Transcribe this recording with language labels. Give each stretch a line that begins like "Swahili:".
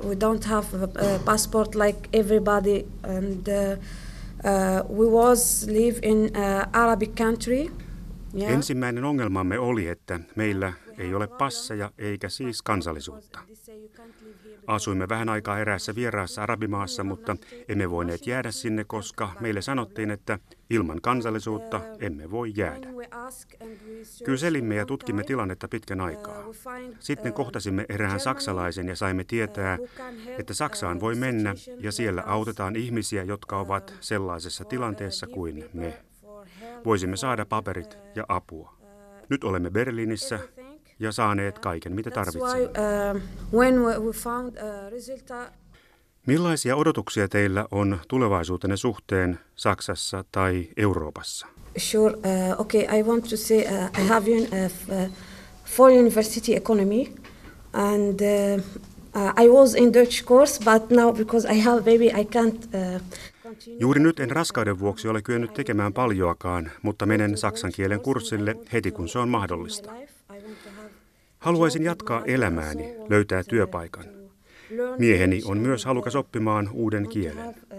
English: We don't have a passport like everybody. And we was live in Arabic country. Yeah.
Finnish: Ensimmäinen ongelmamme oli, että meillä ei ole passeja eikä siis kansallisuutta. Asuimme vähän aikaa eräässä vieraassa arabimaassa, mutta emme voineet jäädä sinne, koska meille sanottiin, että ilman kansallisuutta emme voi jäädä. Kyselimme ja tutkimme tilannetta pitkän aikaa. Sitten kohtasimme erään saksalaisen ja saimme tietää, että Saksaan voi mennä ja siellä autetaan ihmisiä, jotka ovat sellaisessa tilanteessa kuin me. Voisimme saada paperit ja apua. Nyt olemme Berliinissä ja saaneet kaiken, mitä tarvitsemme. Millaisia odotuksia teillä on tulevaisuutenne suhteen Saksassa tai Euroopassa?
English: Sure. Okay, I want to say I have a full university economy and I was in Dutch course, but now because I have a baby, I can't.
Finnish: Juuri nyt en raskauden vuoksi ole kyennyt tekemään paljoakaan, mutta menen saksan kielen kurssille heti, kun se on mahdollista. Haluaisin jatkaa elämääni, löytää työpaikan. Mieheni on myös halukas oppimaan uuden kielen.